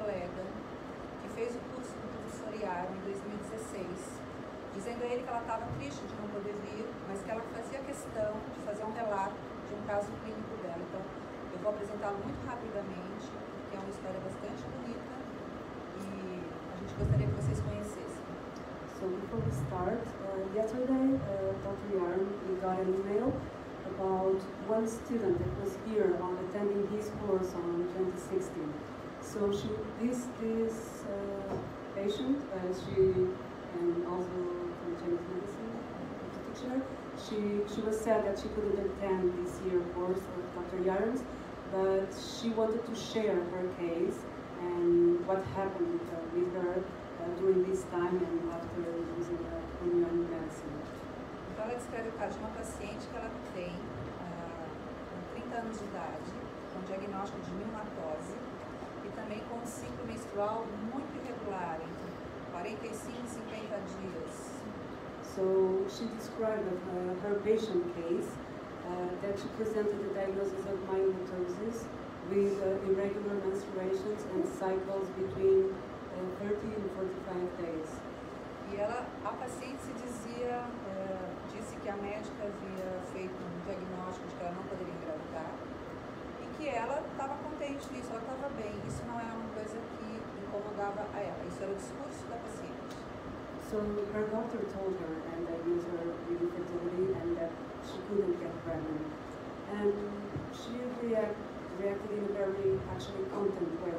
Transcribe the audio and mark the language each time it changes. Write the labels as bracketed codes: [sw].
[pt] colega que fez o curso do professor Iago em 2016, dizendo a ele que ela estava triste de não poder vir, mas que ela fazia questão de fazer um relato de um caso clínico dela. Então, eu vou apresentá-lo muito rapidamente, porque é uma história bastante bonita e a gente gostaria que vocês conhecessem. [en] So, before we start, yesterday, Dr. Yarn, we got an email about one student that was here on attending his course on 2016. So she was sad that she couldn't attend this year course of Dr. Yarn's, but she wanted to share her case and what happened with her during this time and after using the Korean medicine. [pt] Ela descreve o caso de uma paciente que ela tem com 30 anos de idade, com diagnóstico de neonatose e também com um ciclo menstrual muito irregular, entre 45 e 50 dias. [en] So she described her patient case that she presented the diagnosis of myelomatosis with irregular menstruations and cycles between 30 and 45 days. [pt] E ela, a paciente se dizia, disse que a médica havia feito um diagnóstico de que ela não poderia engravidar e que ela estava contente nisso, ela estava bem, isso não era uma coisa que incomodava a ela, isso era o discurso da paciente. [en] So her doctor told her and diagnosed her with infertility and that she couldn't get pregnant. And she reacted in a very actually content way.